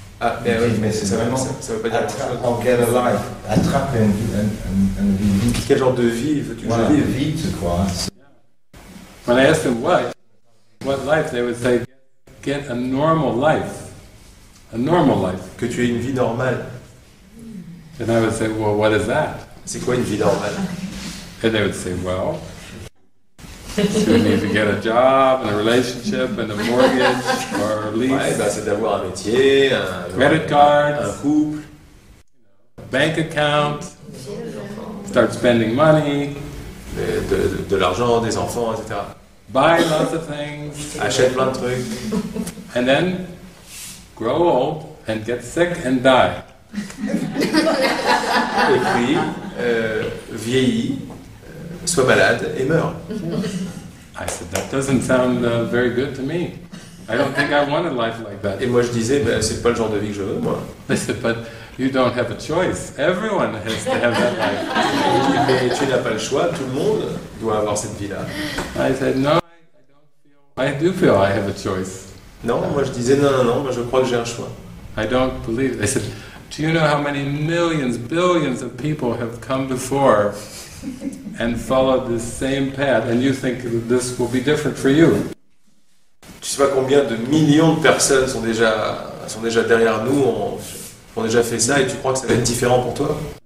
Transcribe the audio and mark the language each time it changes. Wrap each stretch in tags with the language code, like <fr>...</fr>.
<fr>Ah, mais c'est vraiment ça veut pas dire On</fr> <en>get a life,</en> <fr>attraper une vie. Quel genre de vie veux-tu que je vive? Vite, quoi.</fr> <en>When I asked them what life, they would say, get a normal life. A normal life.</en> <fr>Que tu aies une vie normale.</fr> <en>And I would say, well, what is that?</en> <fr>C'est quoi une vie normale?</fr> <en>And they would say, well, you need to get a job and a relationship and a mortgage or a lease.</en> <fr>Ouais, bah, c'est d'avoir un métier, un</fr> <en>credit card,</en> <fr>un couple,</fr> <en>bank account, start spending money.</en> <fr>De l'argent, des enfants, etc.</fr> <en>Buy lots of things.</en> <fr>Achète plein de trucs.</fr> <en>And then grow old and get sick and die.</en> <fr>Et puis vieillis, sois malade et meurs.</fr> <en>I said that doesn't sound very good to me. I don't think I want a life like that.</en> <fr>Et moi je disais ben c'est pas le genre de vie que je veux moi.</fr> <en>They said but you don't have a choice. Everyone has to have that life.</en> <fr>Mais tu n'as pas le choix. Tout le monde doit avoir cette vie-là.</fr> <en>I said no. I don't feel. I do feel I have a choice.</en> <fr>Non, moi je disais non. Moi je crois que j'ai un choix.</fr> <en>I don't believe. They said, do you know how many millions, billions of people have come before and followed the same path, and you think this will be different for you?</en> <fr>Tu sais pas combien de millions de personnes sont déjà derrière nous. On a déjà fait ça et tu crois que ça va être différent pour toi?</fr>